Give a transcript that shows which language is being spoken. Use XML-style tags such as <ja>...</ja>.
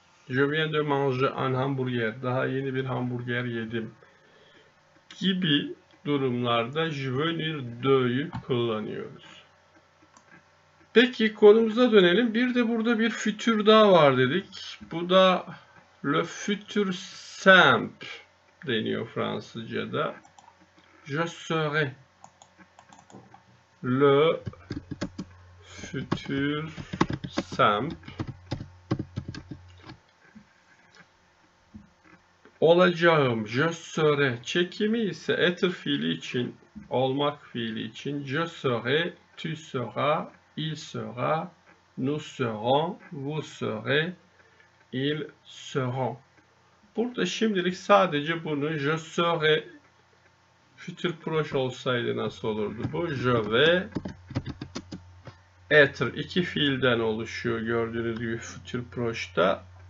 <fr>Je viens de manger un hamburger.</fr> <tr>Daha yeni bir hamburger yedim. Gibi durumlarda</tr> <fr>je viens de'yi</fr> <tr>kullanıyoruz. Peki konumuza dönelim. Bir de burada bir fütür daha var dedik. Bu da</tr> <fr>le futur simple</fr> <tr>deniyor Fransızca'da.</tr> <fr>Je serai le futur simple.</fr> <tr>Olacağım.</tr> <fr>Je serai.</fr> <tr>Çekimi ise être fiili için, olmak fiili için.</tr> <fr>Je serai, tu seras, il sera, nous serons, vous serez, ils seront.</fr> <tr>Burada şimdilik sadece bunu</tr> <fr>je serai</fr> <tr>futur proche olsaydı nasıl olurdu bu?</tr> <fr>Je vais être.</fr> <tr>İki fiilden oluşuyor gördüğünüz gibi futur proche'da.</tr>